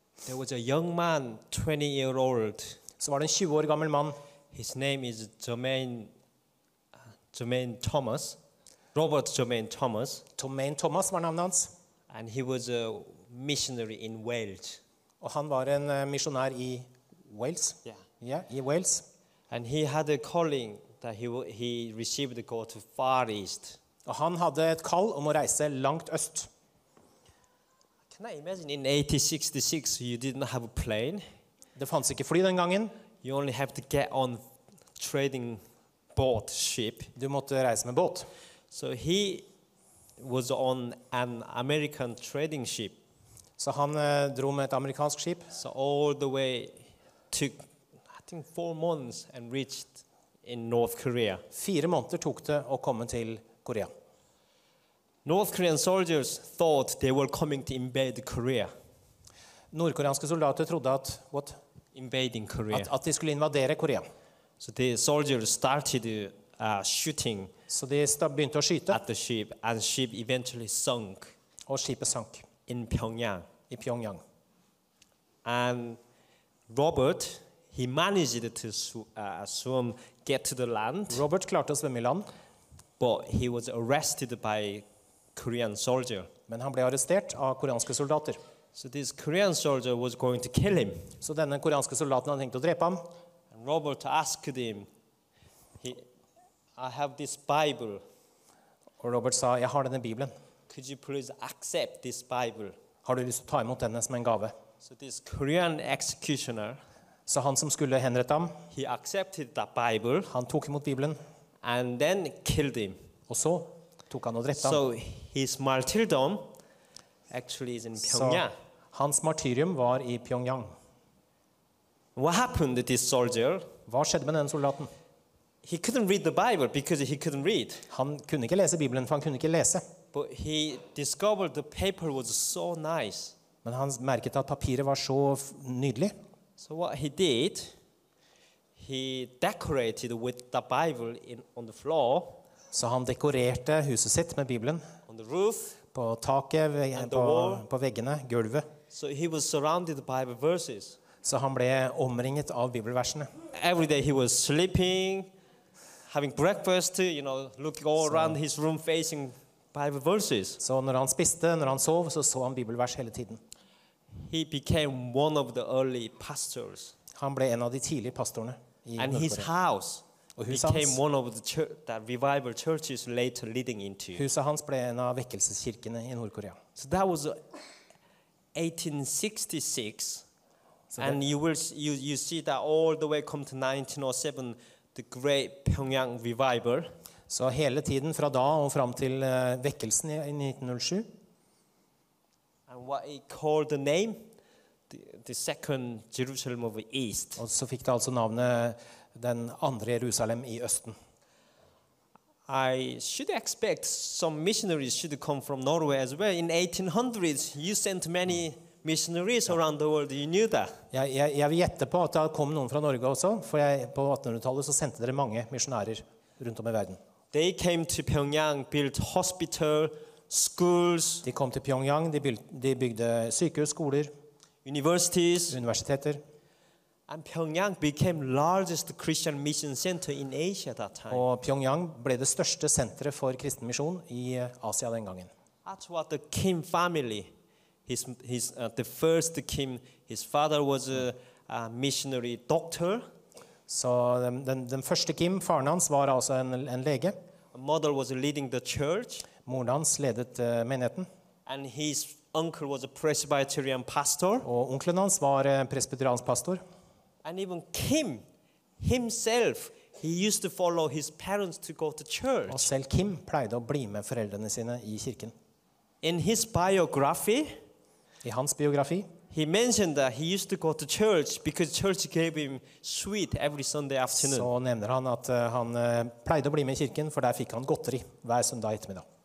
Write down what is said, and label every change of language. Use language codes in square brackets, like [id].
[en] there was a young man, 20 year old. [no] Så var det en 20 år gammel mann. [en] His name is Robert Jermaine Thomas. [no] Jermaine Thomas var navnet hans. [en] And he was a missionary in Wales. [no] Og han var en misjonær I Wales. Yeah, I Wales. [en] And he had a calling that he received to go to Far East. [no] Og han hadde et kall om å reise langt øst. [en] Can I imagine in 1866 you didn't have a plane? [no] Det fanns ikke fly den gangen. [en] You only have to get on trading boat ship. [no] Du måtte reise med båt. [en] So he was on an American trading ship. [no] Så han dro med et amerikansk skip. [en] So all the way took I think 4 months and reached in North Korea. [no] 4 måneder tok det å komme til Korea. [en] North Korean soldiers thought they were coming to invade Korea. [no] Nordkoreanske soldater trodde at [en] what? invading Korea. [no] At de skulle invadere Korea. [en] So the soldiers started shooting. [no] Så de begynte å skyte. [en] At the ship, and the ship eventually sunk. [no] Og skipet sank. [en] In Pyongyang. [no] I Pyongyang. [en] And Robert, he managed to swim, get to the land. [no] Robert klarte å svømme I land. [en] But he was arrested by Korean soldier. [no] Men han ble arrestert av koreanske soldater. [en] So this Korean soldier was going to kill him. [no] Så denne koreanske soldaten hadde tenkt å drepe ham. [en] And Robert asked him, I have this Bible. [no] Og Robert sa, jeg har denne Bibelen. [en] Could you please accept this Bible? [no] Har du lyst til å ta imot denne som en gave? [en] So this Korean executioner, [no] så han som skulle henrette ham, [en] he accepted that Bible. [no] Han tok imot Bibelen. [en] And then killed him. [no] Og så tok han og drepte ham. [en] So his martyrdom actually is in Pyongyang. [no] Så hans martyrium var I Pyongyang. [en] What happened to this soldier? [no] Hva skjedde med denne soldaten? [en] He couldn't read the Bible because he couldn't read. [sv] Han kunde inte läsa Bibeln för han kunde inte läsa. [en] But he discovered the paper was so nice. [sv] Men han märkte att papperet var så nydligt. [en] So what he did, he decorated with the Bible in on the floor. [sv] Så han dekorerade huset sitt med Bibeln. [en] On the roof. [sv] På taket, på väggarna, golvet. [en] So he was surrounded by Bible verses. [sv] Så han blev omringad av bibelverserna. [en] Every day he was sleeping. Having breakfast, you know, looking all around his room facing Bible verses. [sv] Så när han spiste, när han sov, så såg han bibelvers hela tiden. [en] He became one of the early pastors. [sv] Han blev en av de tidiga pastorerna. [en] And his house became one of the that revival churches later leading into. [sv] Huset hans blev en av väckelseskyrkorna I Nordkorea. [en] So that was 1866. So and you will you see that all the way come to 1907. The great Pyongyang revival. [sv] Så hela tiden från då och fram till väckelsen I 1907. [en] And what he called the name, the second Jerusalem of the East. [sv] Och så fick det alltså namnet den andra Jerusalem I östen. [en] I should expect some missionaries should come from Norway as well. In 1800s, you sent many missionaries around the world, you knew that. [sv] Ja, jag vet jätte på att det kom någon från Norge också, för jag på 1800-talet så sände det många missionärer runt om I världen. [en] They came to Pyongyang, built hospital, schools. [sv] De kom till Pyongyang, de byggde sjukhus, skolor, [en] universities, [no] universiteter. [en] And Pyongyang became largest Christian mission center in Asia at that time. [sv] Och Pyongyang blev det största centret för kristen mission I Asia den gången. [en] That's what the Kim family. His the first Kim, his father was a missionary doctor. [sv] Så den första Kim, faren hans var alltså en läge. [en] Mother was leading the church. [sv] Modern hans ledet menigheten. [en] And his uncle was a Presbyterian pastor. [sv] Och onkeln hans var presbyterians pastor. [en] And even Kim himself, he used to follow his parents to go to church. [sv] Och själv Kim plejde att bli med föräldrarna sina I kyrkan. [en] In his biography. [sv] I hans biografi. [en] He mentioned that he used to go to church because church gave him sweet every Sunday afternoon. [sv] Så nämner han att han plejde att bli med I kyrkan för där fick han godteri varje söndag eftermiddag.